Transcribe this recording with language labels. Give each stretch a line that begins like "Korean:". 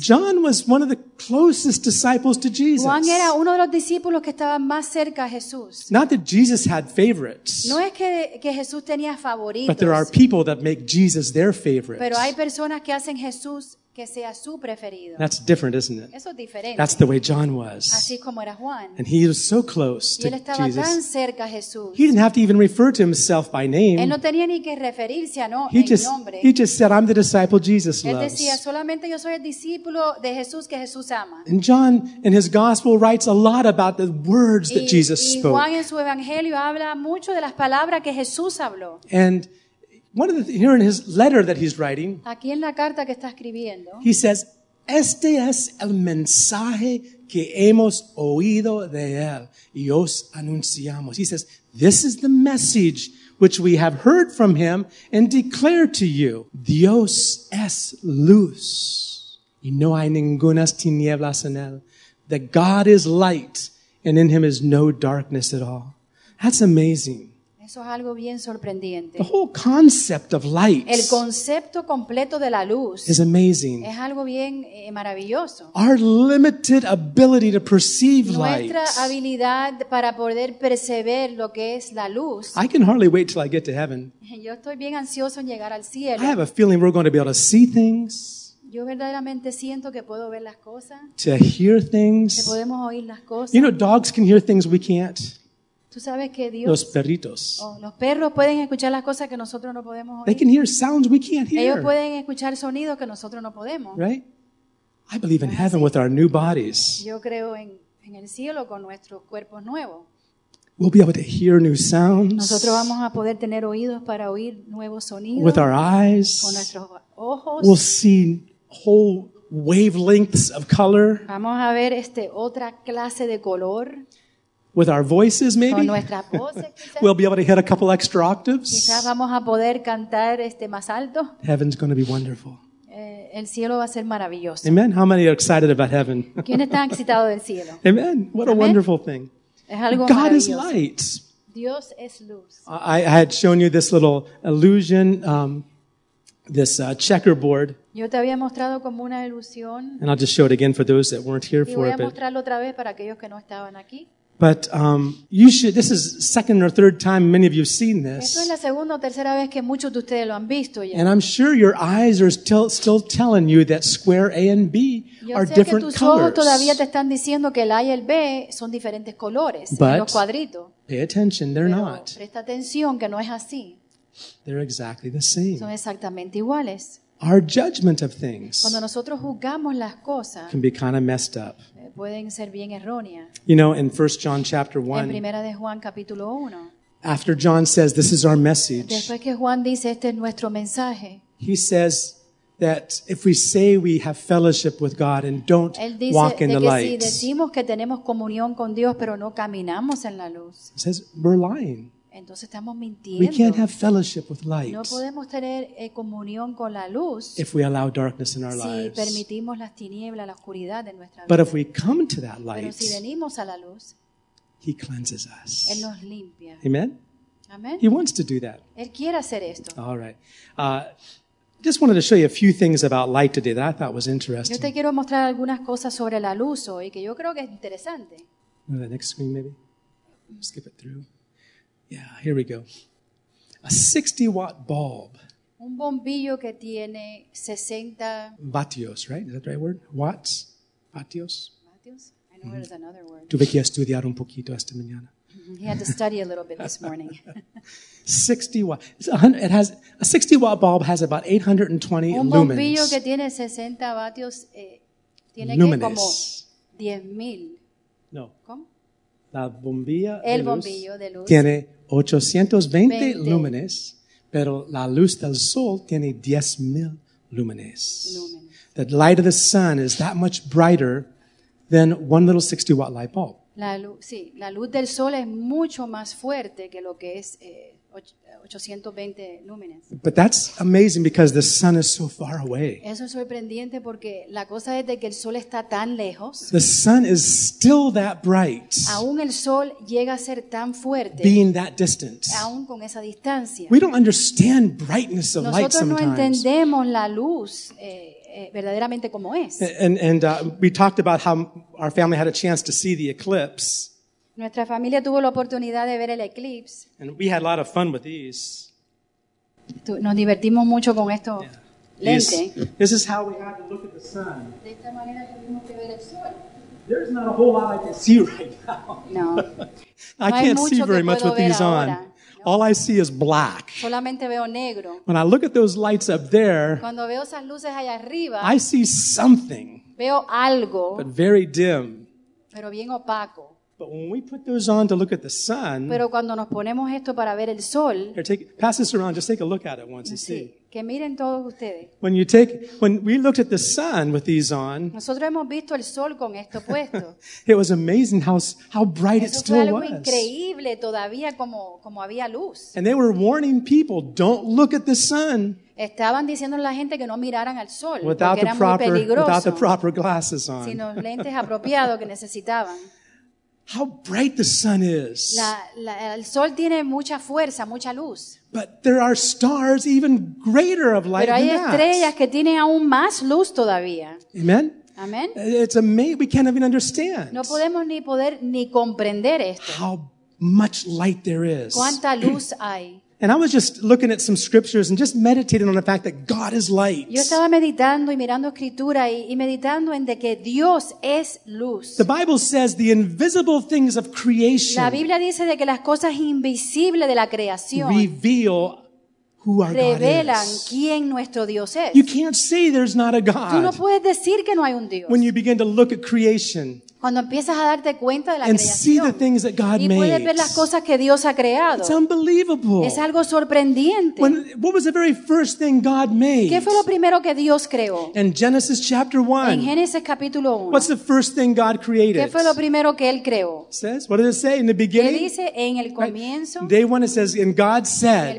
English: John was one of the closest disciples to Jesus.
Spanish: Juan era uno de los discípulos que estaba más cerca a Jesús.
English: Not that Jesus had favorites.
Spanish: No es que Jesús tenía favoritos.
English: But there are people that make Jesus their favorite.
Spanish: Pero hay personas que hacen Jesús que sea su preferido.
English: That's different, isn't it?
Spanish: Eso es diferente.
English: That's the way John was.
Spanish: Así como era Juan.
English: And he was so close to Jesus.
Spanish: Y él estaba tan cerca a Jesús.
English: He didn't have to even refer to himself by name.
Spanish: Él no tenía ni que referirse a no,
English: he
Spanish: el
English: just,
Spanish: nombre.
English: He just said, I'm the disciple Jesus
Spanish: él
English: loves.
Spanish: Él decía, solamente yo soy el discípulo de Jesús que Jesús ama.
English: And John, in his gospel, writes a lot about the words that Jesus spoke.
Spanish: Y Juan en su evangelio habla mucho de las palabras que Jesús habló.
English: And one of the here in his letter that he's writing,
Spanish: aquí en la carta que está escribiendo,
English: he says,
Spanish: este es el mensaje que hemos oído de él y os anunciamos.
English: He says, this is the message which we have heard from him and declare to you.
Spanish: Dios es luz y no hay ninguna tinieblas en él.
English: That God is light and in him is no darkness at all. That's amazing.
Spanish: Eso es algo bien sorprendente.
English: The whole concept of light.
Spanish: El concepto completo de la luz.
English: Is amazing.
Spanish: Es algo bien maravilloso.
English: Our limited ability to perceive light.
Spanish: Nuestra habilidad para poder percibir lo que es la luz.
English: I can hardly wait till I get to heaven.
Spanish: Yo estoy bien ansioso en llegar al cielo.
English: I have a feeling we're going to be able to see things.
Spanish: Yo verdaderamente siento que puedo ver las cosas.
English: To hear things.
Spanish: Que podemos oír las cosas.
English: You know, dogs can hear things we can't.
Spanish: Tú sabes que Dios, los perritos. Los perros pueden escuchar las cosas que nosotros no podemos oír.
English: They can hear sounds we can't hear.
Spanish: Ellos pueden escuchar sonidos que nosotros no podemos.
English: Right? I believe in heaven with our new bodies.
Spanish: Yo creo en el cielo con nuestros cuerpos nuevos.
English: We'll be able to hear new sounds.
Spanish: Nosotros vamos a poder tener oídos para oír nuevos sonidos.
English: With our eyes.
Spanish: Con nuestros ojos.
English: We'll see whole wavelengths of color.
Spanish: Vamos a ver otra clase de color.
English: with our voices, maybe.
Spanish: Con nuestras voces, quizás.
English: We'll be able to hit a couple extra octaves.
Spanish: Quizás vamos a poder cantar más alto.
English: Heaven's going to be wonderful.
Spanish: El cielo va a ser maravilloso.
English: Amen. How many are excited about heaven?
Spanish: ¿Quién está excitado del cielo?
English: Amen. What a wonderful thing.
Spanish: Es algo
English: God is light.
Spanish: Dios es luz.
English: I had shown you this little illusion, this checkerboard.
Spanish: Yo te había mostrado como una ilusión.
English: And I'll just show it again for those that weren't here for it.
Spanish: Y voy a mostrarlo otra vez para aquellos que no estaban aquí.
English: But you should. This is second or third time many of you have seen this.
Spanish: Esto es la segunda o tercera vez que muchos de ustedes lo han visto ya.
English: And I'm sure your eyes are still telling you that square A and B are different colors.
Spanish: Yo sé que tus ojos todavía te están diciendo que el A y el B son diferentes colores,
English: but
Spanish: los cuadritos.
English: Pay attention, they're not.
Spanish: Presta atención que no es así.
English: They're exactly the same.
Spanish: Son exactamente iguales.
English: Our judgment of things.
Spanish: Cuando nosotros juzgamos las cosas.
English: Can be kind of messed up.
Spanish: Pueden ser bien erróneas.
English: You know, in 1 John chapter 1.
Spanish: En Primera de Juan capítulo 1.
English: After John says this is our message.
Spanish: Después que Juan dice este es nuestro mensaje.
English: He says that if we say we have fellowship with God and don't walk in the light.
Spanish: Él dice que si decimos que tenemos comunión con Dios pero no caminamos en la luz.
English: He says we're lying.
Spanish: Entonces estamos mintiendo.
English: We can't have fellowship with light.
Spanish: No podemos tener comunión con la luz.
English: If we allow darkness in our lives.
Spanish: Si permitimos las tinieblas, la oscuridad en nuestra vida.
English: But if we come to that light.
Spanish: Pero si venimos a la luz.
English: He cleanses us.
Spanish: Él nos limpia. Amen. Amen.
English: He wants to do that.
Spanish: Él quiere hacer esto.
English: All right. Just wanted to show you a few things about light today that I thought was interesting.
Spanish: Yo te quiero mostrar algunas cosas sobre la luz hoy que yo creo que es interesante.
English: The next screen, maybe. Skip it through. Yeah, here we go. A 60-watt bulb.
Spanish: Un bombillo que tiene 60...
English: Vatios, right? Is that the right word? Watts? Vatios? Vatios? I know there's another word.
Spanish: Tuve que estudiar un poquito esta mañana. Mm-hmm.
English: He had to study a little bit this morning. 60 watts. It has, a 60-watt bulb has about 820 lumens.
Spanish: Un bombillo
English: lumens.
Spanish: Que tiene 60 vatios tiene Luminous. Que como 10,000. No. ¿Cómo? La bombilla de el bombillo de luz tiene 820 lúmenes, pero la luz del sol tiene 10,000 lúmenes.
English: The light of the sun is that much brighter than one little 60-watt light bulb.
Spanish: La luz del sol es mucho más fuerte que lo que es 820 lúmenes.
English: But that's amazing because the sun is so far away.
Spanish: Eso es sorprendente porque la cosa es de que el sol está tan lejos.
English: The sun is still that bright.
Spanish: Aún el sol llega a ser tan fuerte.
English: Being that distant.
Spanish: Aún con esa distancia.
English: We don't understand brightness of
Spanish: Nosotros
English: light
Spanish: no
English: sometimes.
Spanish: Nosotros no entendemos la luz verdaderamente como es.
English: And we talked about how our family had a chance to see the eclipse.
Spanish: Nuestra familia tuvo la oportunidad de ver el eclipse.
English: And we had a lot of fun with these.
Spanish: Nos divertimos mucho con estos lentes.
English: This is how we had to look at the sun.
Spanish: De esta manera tuvimos que ver el sol.
English: There's not a whole lot I can see right now.
Spanish: No.
English: I can't see very much with these
Spanish: ahora.
English: On. All I see is black.
Spanish: Solamente veo negro.
English: When I look at those lights up there,
Spanish: cuando veo esas luces allá arriba,
English: I see something.
Spanish: Veo algo.
English: But very dim.
Spanish: Pero bien opaco.
English: But when we put those on to look at the sun,
Spanish: pero cuando nos ponemos esto para ver el sol,
English: here, pass this around, just take a look at it once and
Spanish: sí,
English: see.
Spanish: Que miren todos ustedes.
English: When we looked at the sun with these on,
Spanish: nosotros hemos visto el sol con esto puesto.
English: It was amazing how bright
Spanish: eso
English: it still
Spanish: fue algo
English: was.
Spanish: Increíble todavía como había luz.
English: And they were warning people, don't look at the sun.
Spanish: Estaban diciendo a la gente que no miraran al sol,
English: without
Spanish: porque era
English: proper,
Spanish: muy peligroso.
English: Without the proper glasses on.
Spanish: Sin los lentes apropiados que necesitaban.
English: How bright the sun is.
Spanish: El sol tiene mucha fuerza, mucha luz.
English: But there are stars even greater of light than that.
Spanish: Pero hay estrellas que tienen aún más luz todavía. Amen. Amen.
English: It's amazing. We can't even understand.
Spanish: No podemos ni poder ni comprender esto.
English: How much light there is.
Spanish: Cuánta luz hay.
English: And I was just looking at some scriptures and just meditating on the fact that God is light.
Spanish: Yo estaba meditando y mirando escritura y meditando en de que Dios es luz.
English: The Bible says the invisible things of creation.
Spanish: La Biblia dice de que las cosas invisibles de la creación
English: reveal who our
Spanish: revelan
English: God is.
Spanish: Quién nuestro Dios es.
English: You can't say there's not a God.
Spanish: Tú no puedes decir que no hay un Dios.
English: When you begin to look at creation,
Spanish: cuando empiezas a darte cuenta de la
English: and
Spanish: creación,
English: see the things that God
Spanish: y
English: made,
Spanish: puedes ver las cosas que Dios ha creado.
English: It's unbelievable.
Spanish: Es algo sorprendente.
English: What was the very first thing God made?
Spanish: ¿Qué fue lo primero que Dios creó?
English: In Genesis chapter 1.
Spanish: En Génesis capítulo 1.
English: What's the first thing God created?
Spanish: ¿Qué fue lo primero que él creó?
English: It says, what does it say in the beginning?
Spanish: ¿Qué dice en el comienzo?
English: Right. Day 1 it says, and God said.